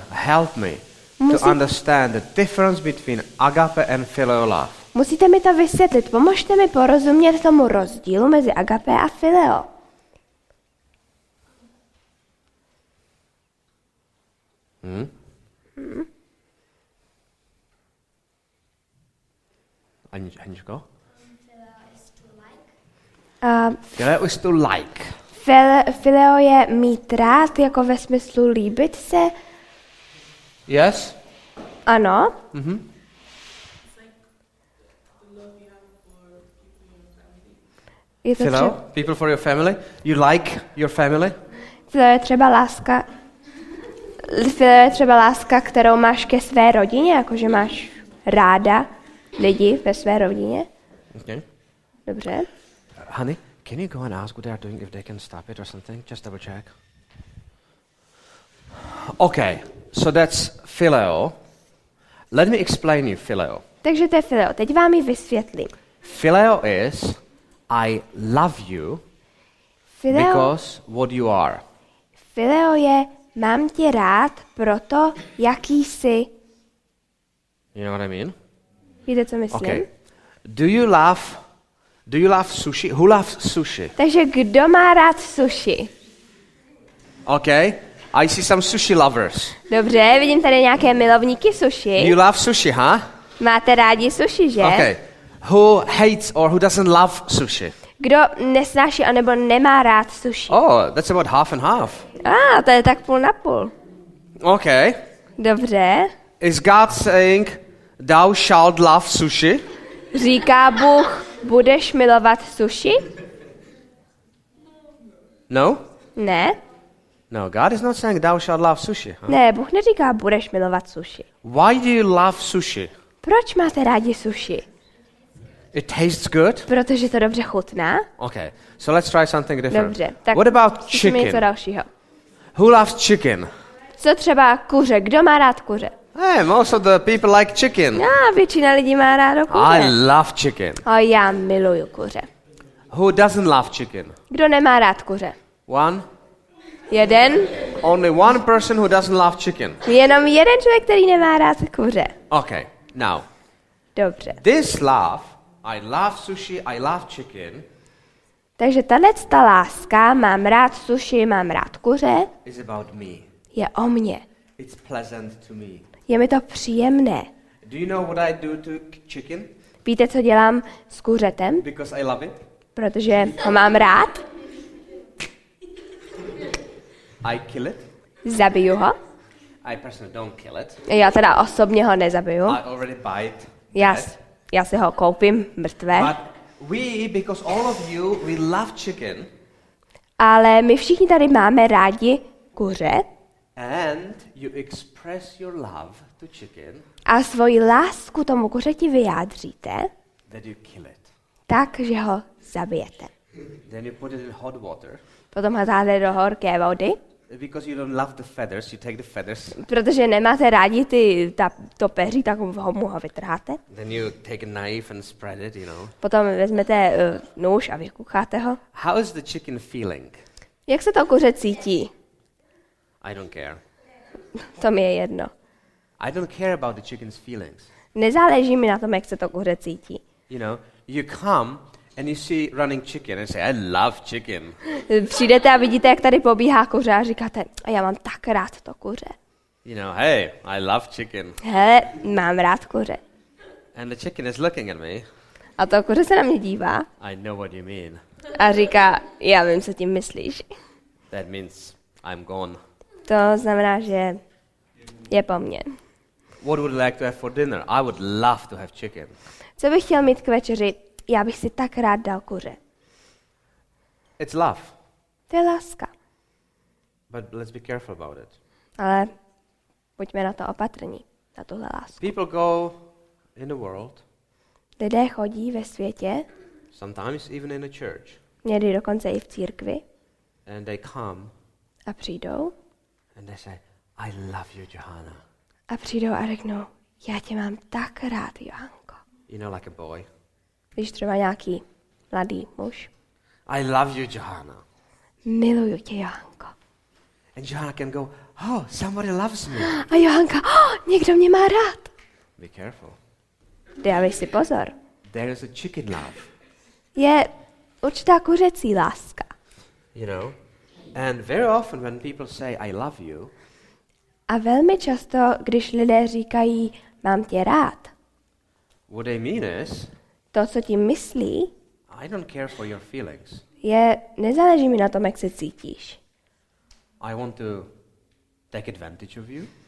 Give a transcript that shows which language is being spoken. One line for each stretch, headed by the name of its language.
English: Help me to understand the difference between agape and phileo love.
Czech: Musíte mi to vysvětlit. Pomozte mi porozumět tomu rozdílu mezi agape a phileo. Aničko?
English: Phileo is to like.
Czech: Phileo je mít rád, jako ve smyslu líbit se.
English: Yes.
Czech: Ano.
English: Phileo, people for your family. You like your family.
Czech: Phileo je třeba láska. Phileo je třeba láska, kterou máš ke své rodině, jakože máš ráda lidi ve své rodině.
English: Okay.
Czech: Dobře.
English: Honey, can you go and ask what they are doing if they can stop it or something? Just double check. Okay, so that's phileo. Let me explain you phileo.
Czech: Takže to je phileo. Teď vám ji vysvětlím.
English: Phileo is I love you phileo, because what you are.
Czech: Phileo je mám tě rád proto, jaký jsi.
English: You know what I mean?
Czech: Víte, co myslím?
English: Okay. Do you love sushi? Who loves sushi?
Czech: Takže kdo má rád sushi?
English: Okay. I see some sushi lovers.
Czech: Dobře, vidím tady nějaké milovníky sushi.
English: You love sushi, huh?
Czech: Máte rádi sushi, že?
English: Okay. Who hates or who doesn't love sushi?
Czech: Kdo nesnáší anebo nemá rád sushi?
English: Oh, that's about half and half.
Czech: To je tak půl na půl.
English: Okay.
Czech: Dobře.
English: Is God saying thou shalt love sushi?
Czech: Říká Bůh, budeš milovat sushi?
English: No?
Czech: Ne.
English: No, God is not saying thou shalt love sushi. Huh?
Czech: Ne, Bůh neříká, budeš milovat sushi.
English: Why do you love sushi?
Czech: Proč máte rádi sushi?
English: It tastes good.
Czech: Protože to dobře chutná.
English: Okay. So let's try something different.
Czech: Dobře. Tak
English: what about chicken?
Czech: Něco dalšího.
English: Who loves chicken?
Czech: Co třeba kuře? Kdo má rád kuře?
English: Hey, most of the people like chicken.
Czech: No, většina lidí má rádo kuře.
English: I love chicken.
Czech: A já miluju kuře.
English: Who doesn't love chicken?
Czech: Kdo nemá rád kuře?
English: One.
Czech: Jeden.
English: Only one person who doesn't love chicken.
Czech: Jenom jeden člověk, který nemá rád kuře.
English: Okay. Now.
Czech: Dobře.
English: This love, I love sushi, I love chicken.
Czech: Takže tato láska, mám rád sushi, mám rád kuře.
English: Is about me.
Czech: Je o mně.
English: It's pleasant to me.
Czech: Je mi to příjemné.
English: Do you know what I do to chicken?
Czech: Víte, co dělám s kuřetem?
English: Because I love it.
Czech: Protože ho mám rád.
English: I kill it.
Czech: Zabiju ho.
English: I personally don't kill it.
Czech: Já teda osobně ho nezabiju.
English: I already buy it.
Czech: Já si ho koupím mrtvé.
English: But we, because all of you, we love chicken.
Czech: Ale my všichni tady máme rádi kuře.
English: And you express your love to chicken.
Czech: A svoji lásku tomu kuřeti vyjádříte.
English: That you kill it.
Czech: Tak, že ho zabijete.
English: Then you put it in hot water.
Czech: Potom ho dáte do horké vody.
English: Because you don't love the feathers, you take the feathers.
Czech: Protože nemáte rádi to peří, tak mu ho vytrháte.
English: Then you take a knife and spread it, you know.
Czech: Potom vezmete nůž a vykucháte ho.
English: How is the chicken feeling?
Czech: Jak se to kuře cítí?
English: I don't care.
Czech: To mi je jedno.
English: I don't care about the chicken's feelings.
Czech: Nezáleží mi na tom, jak se to kuře cítí.
English: You know, you come and you see running chicken and say, I love chicken.
Czech: Přijdete a vidíte, jak tady pobíhá kuře a říkáte, a já mám tak rád to kuře.
English: You know, hey, I love chicken.
Czech: Hele, mám rád kuře.
English: And the chicken is looking at me.
Czech: A to kuře se na mě dívá.
English: I know what you mean.
Czech: A říká, já vím, co tím myslíš.
English: That means I'm gone.
Czech: To znamená, že je po mně.
English: What would you like to have for dinner? I would love to have chicken.
Czech: Co bych chtěl mít k večeři? Já bych si tak rád dal kuře.
English: It's love.
Czech: To je láska.
English: But let's be careful about it.
Czech: Ale buďme na to opatrní, na tuhle lásku.
English: People go in the world.
Czech: Lidé chodí ve světě.
English: Sometimes even in a church.
Czech: Někdy dokonce i v církvi.
English: And they come.
Czech: A přijdou.
English: And they say, I love you, Johanna.
Czech: A přijdou a řeknou, já tě mám tak rád, Johanko.
English: You know, like a boy.
Czech: Víš, třeba nějaký mladý muž.
English: I love you, Johanna.
Czech: Miluju tě, Johanko.
English: And Johanna can go, oh, somebody loves me.
Czech: A Johanka, oh, někdo mě má rád.
English: Be careful.
Czech: Dávej si pozor.
English: There is a chicken love.
Czech: Je určitá kuřecí láska.
English: You know? And very often when people say I love you.
Czech: A velmi často, když lidé říkají mám tě rád.
English: What they mean is,
Czech: to, co tím myslí,
English: I don't care for your feelings.
Czech: Je nezáleží mi na tom, jak se cítíš.
English: I want to take advantage of you.